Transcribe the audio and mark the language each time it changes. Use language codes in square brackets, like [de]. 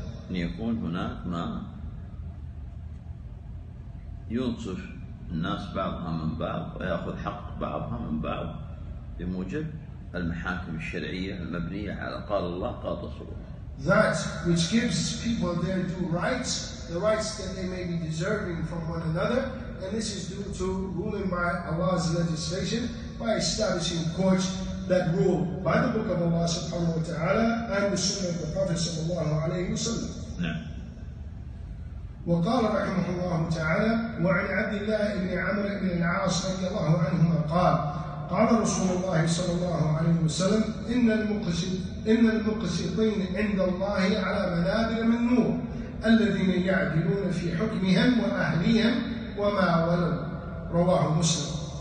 [ar] أن يكون هناك ما ينصف الناس بعضها من بعض ويأخذ حق بعضها من بعض بموجب المحاكم الشرعية المبنية على قال الله قال رسوله. [en] That which gives people their due rights, the rights that they may be deserving from one another, and this is due to ruling by Allah's legislation by establishing courts that rule by the book of Allah subhanahu wa ta'ala and the sunnah of the Prophet sallallahu alayhi wa sallam. [ar] وقال رحمه الله تعالى وعن عبد الله بن عمرو بن العاص رضي الله عنهما قال قال رسول الله صلى الله عليه وسلم إن المقسطين عند الله على منابر من نور الذين يعدلون في حكمهم وأهليهم وما ولوا رواه مسلم